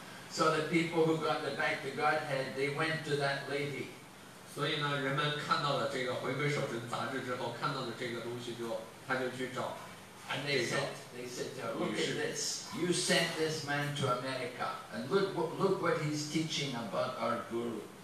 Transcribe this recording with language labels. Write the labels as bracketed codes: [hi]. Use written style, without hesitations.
[en] So the people who got the back to Godhead, they went to that lady. [zh] 所以呢，人们看到了这个回归手镇杂志之后，看到了这个东西就，他就去找。 [en] And they said, look at this. You sent this man to America, and look what he's teaching about our guru.